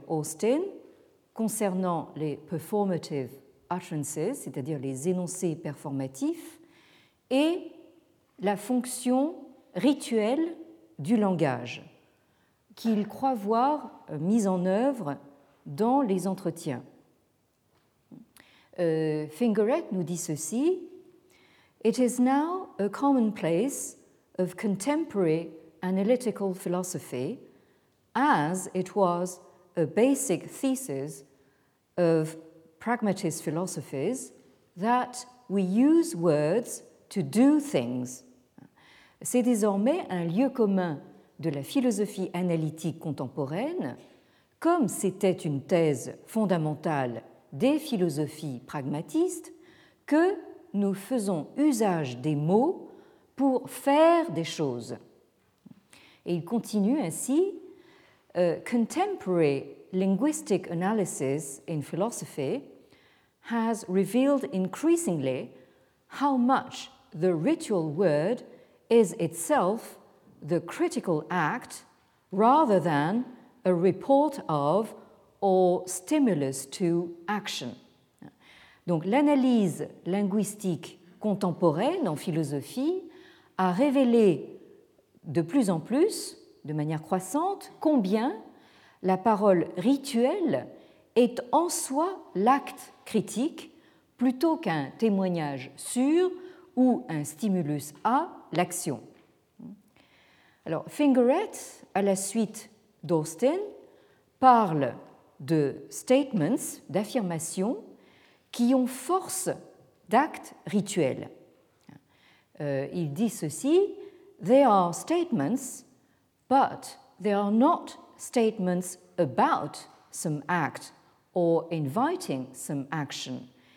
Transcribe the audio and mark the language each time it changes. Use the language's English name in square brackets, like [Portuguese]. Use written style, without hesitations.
[French] Austin concernant les performative utterances, c'est-à-dire les énoncés performatifs, et la fonction rituelle du langage qu'il croit voir mise en œuvre dans les entretiens. Fingeret nous dit ceci: [English] It is now a commonplace of contemporary analytical philosophy, as it was a basic thesis of pragmatist philosophies, that we use words to do things. [French] C'est désormais un lieu commun de la philosophie analytique contemporaine, comme c'était une thèse fondamentale des philosophies pragmatistes, que nous faisons usage des mots pour faire des choses. Et il continue ainsi, [English] Contemporary linguistic analysis in philosophy has revealed increasingly how much the ritual word is itself the critical act rather than a report of or stimulus to action. [French] Donc l'analyse linguistique contemporaine en philosophie a révélé de plus en plus, de manière croissante, combien la parole rituelle est en soi l'acte critique plutôt qu'un témoignage sûr ou un stimulus à l'action. Alors, Fingeret, à la suite d'Austin, parle de statements, d'affirmations, qui ont force d'actes rituels. Il dit ceci, « [English] They are statements, but they are not statements about some act or inviting some action.